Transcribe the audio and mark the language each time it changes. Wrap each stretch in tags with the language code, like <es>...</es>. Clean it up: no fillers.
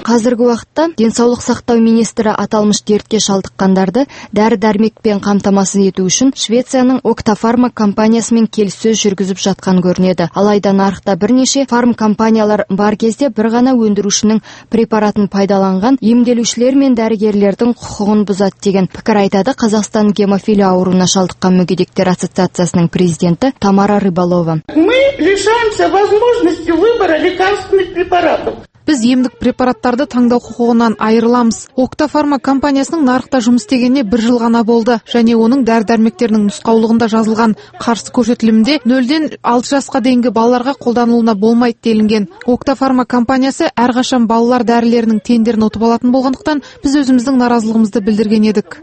<kk>Қазіргі уақытта денсаулық сақтау министрі аталмыш дертке шалдыққандарды дәрі-дәрмекпен қамтамасыз ету үшін Швецияның Октофарма компаниясымен келіссөз жүргізіп жатқан көрінеді. Алайда нарықта бірнеше фармкомпаниялар бар кезде бір ғана өндірушінің препаратын пайдаланған емделушілер мен дәрігерлердің құқығын бұзады деген пікір айтады Қазақстан гемофилия ауруына шалдыққан мүгедектер ассоциациясының президенті Тамара Рыбалова.</kk> <ru>Мы лишаемся возможности выбора лекарственных препаратов.</ru> <kk>Біз емдік препараттарды таңдау құқығынан айырыламыз. Октофарма компаниясының нарықта жұмыс істегеніне бір жыл ғана болды. Және оның дәрі-дәрмектерінің нұсқаулығында жазылған қарсы көрсетілімде 0-ден 6 жасқа дейінгі балаларға қолданылуына болмайды делінген. Октофарма компаниясы әрқашан балалар дәрілерінің тендерін ұтып алатын болғандықтан біз өзіміздің наразылығымызды білдірген едік.</kk>